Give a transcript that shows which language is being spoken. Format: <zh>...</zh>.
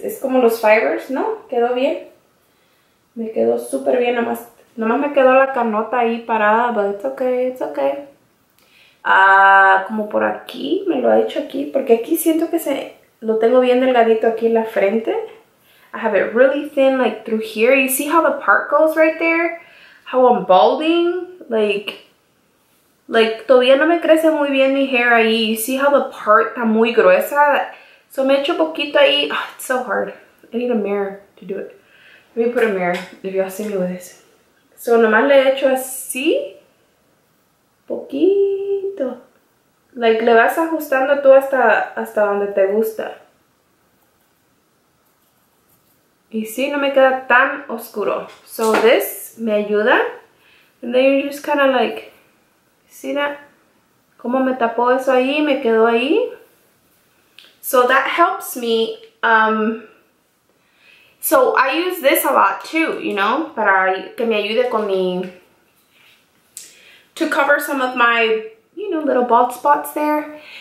<es>Es como los fibers, ¿no? Quedó bien. Me quedó súper bien. Nomás me quedó la canota ahí parada,</es> <en>but it's okay, it's okay.</en> <es>Como por aquí, me lo ha hecho aquí, porque aquí siento que se lo tengo bien delgadito aquí en la frente.</es> <en>I have it really thin, like, through here. You see how the part goes right there? How I'm balding?</en> <es>Like, todavía no me crece muy bien mi hair ahí.</es> <en>You see how the part</en> <es>está muy gruesa?</es> <en>So</en> <es>me echo poquito ahí.</es> <en>Oh, it's so hard. I need a mirror to do it. Let me put a mirror, if y'all see me with this.</en> <es>So nomás le he hecho así. Poquito. Like, le vas ajustando tú hasta donde te gusta. Y sí, no me queda tan oscuro.</es> <en>So this</en> <es>me ayuda.</es> <en>And then you just kind of like, see that?</en> <es>Como me tapó eso ahí, me quedó ahí.</es> <en>So that helps me. So I use this a lot too, you know,</en> <es>para que me ayude con mi,</es> <en>to cover some of my, you know, little bald spots there.</en>